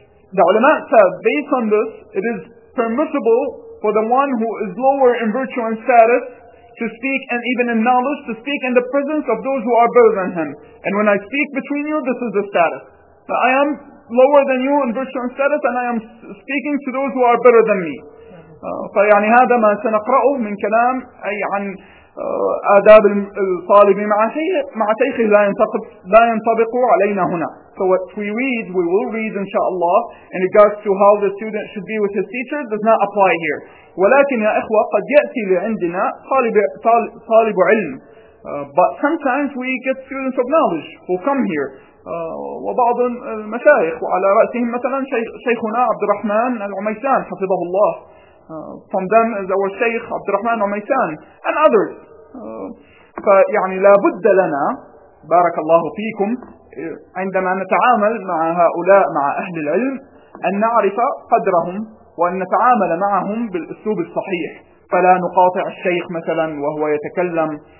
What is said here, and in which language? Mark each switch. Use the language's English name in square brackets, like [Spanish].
[English] The ulama said, based on this, it is permissible for the one who is lower in virtue and status to speak and even in knowledge to speak in the presence of those who are better than him. And when I speak between you, this is the status. I am lower than you in virtue and status and I am speaking to those who are better than me. [Arabic] فيعني هذا ما سنقرأه من كلام أي عن آداب الطالب مع شيخه لا ينطبق علينا هنا. [English] So what we will read inshallah in regards to how the student should be with his teacher does not apply here. [Arabic] ولكن يا إخوة قد يأتي لعندنا طالب علم. [English] But sometimes we get students of knowledge who come here. [Arabic] وبعض المشايخ وعلى رأسهم مثلا شيخنا عبد الرحمن العميسان حفظه الله. [English] From them is our Shaykh عبد الرحمن العميسان and others. [Arabic] فيعني لابد لنا بارك الله فيكم عندما نتعامل مع هؤلاء مع أهل العلم أن نعرف قدرهم وأن نتعامل معهم بالأسلوب الصحيح فلا نقاطع الشيخ مثلا وهو يتكلم